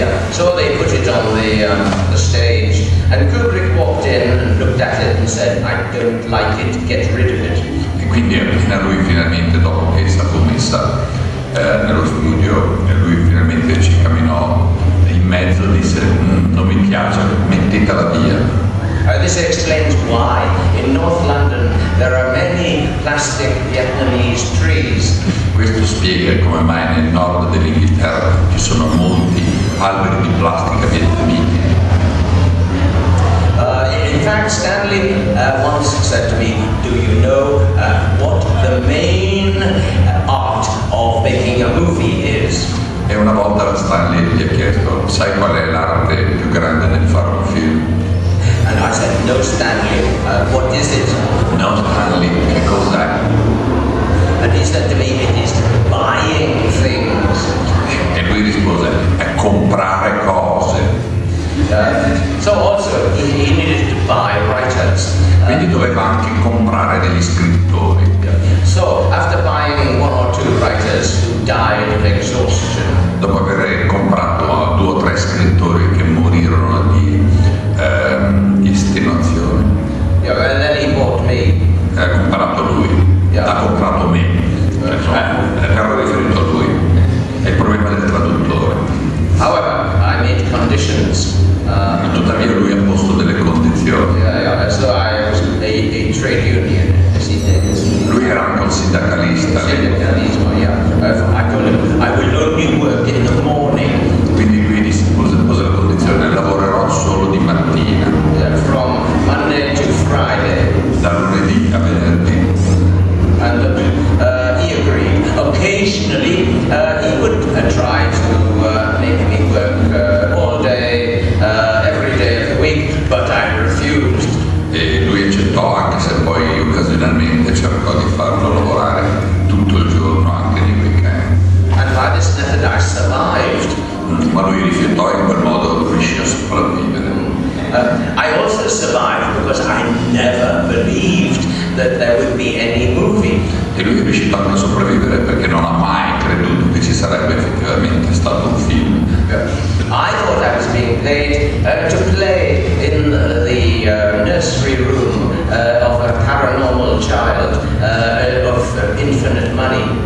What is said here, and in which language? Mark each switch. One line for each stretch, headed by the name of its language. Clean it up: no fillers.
English: So they put it on the stage, and Kubrick walked in and looked at it and said, I don't like it, get rid of it.
Italian: E quindi appena lui finalmente, dopo che è stato messa nello studio, lui finalmente ci camminò in mezzo e disse, non mi piace, mettetela via.
English: This explains why in North London there are many plastic Vietnamese trees.
Italian: Questo spiega come mai nel nord dell'Inghilterra ci sono molti alberi di plastica vietnamiti.
English: In fact, Stanley once said to me, do you know what the main art of making a movie is?
Italian: E una volta Stanley gli ha chiesto, sai qual è l'arte più grande nel fare un film?
English: And I said, no Stanley, what is it?
Italian: No Stanley, che cos'è?
English: And he said to me, it is buying things.
Italian: E lui rispose, è comprare cose.
English: So also, he needed to buy writers.
Italian: Quindi doveva anche comprare degli scrittori.
English: So, after buying one or two writers who died of exhaustion.
Italian: Dopo aver comprato due o tre scrittori che morirono di estenuazione.
English: Yeah, and then he bought me.
Italian: Ha comprato lui. Ha comprato me. Ero riferito a lui. È il problema del traduttore.
English: However, I made conditions.
Italian: Tuttavia lui ha posto delle condizioni.
English: So I was a trade union.
Italian: Lui era anche un sindacalista.
English: I told him, I will only work in the morning.
Italian: Quindi lui disse, pose la condizione, lavorerò solo di mattina.
English: From Monday to Friday.
Italian: Da lunedì a venerdì.
English: And he agreed. Occasionally he would try to make me work all day, every day of the week, but I refused.
Italian: E lui accettò, anche se poi occasionalmente cercò di farlo lavorare tutto il giorno, anche nei weekend.
English: And by this method I survived.
Italian: Ma lui rifiutò in quel modo riuscì a sopravvivere.
English: I also survived because I never believed that there would be any movie.
Italian: E lui è riuscito anche a sopravvivere perché non ha mai creduto che ci sarebbe effettivamente stato un film.
English: I thought I was being paid to play in the nursery room of a paranormal child of infinite money.